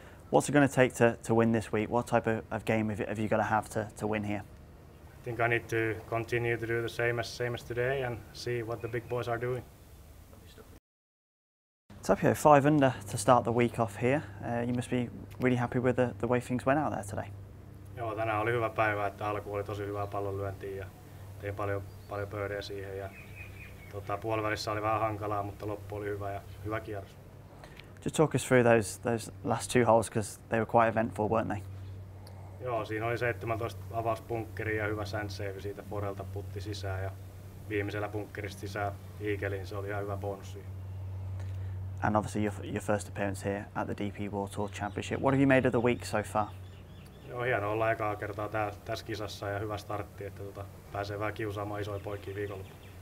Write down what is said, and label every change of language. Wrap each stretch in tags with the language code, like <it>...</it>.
<en>What's it going to take to win this week? What type of game have you got to have to win here? I think I need to continue to do the same as today and see what the big boys are doing. Tapio, 5 under to start the week off here. You must be really happy with the way things went out there today.</en> <fi>Joo, tänään oli hyvä päivä, että alku oli tosi hyvää pallonlyöntiä ja tein paljon birdejä siihen ja puolivälissä oli vähän hankalaa, mutta loppu oli hyvä ja hyvä kierros.</fi> <en>Just talk us through those last two holes, because they were quite eventful, weren't they?</en> <fi>Joo, siinä oli 17 avaus bunkkeri ja hyvä sand save siitä forelta putti sisään ja viimeisellä bunkkerista sisään eagleen, se oli ihan hyvä bonus.</fi> <en>And obviously your first appearance here at the DP World Tour Championship. What have you made of the week so far?</en> <fi>Joo, hienoa olla ekaa kertaa tässä kisassa ja hyvä startti, että pääsee vähän kiusaamaan isoja poikia viikonloppuun.</fi>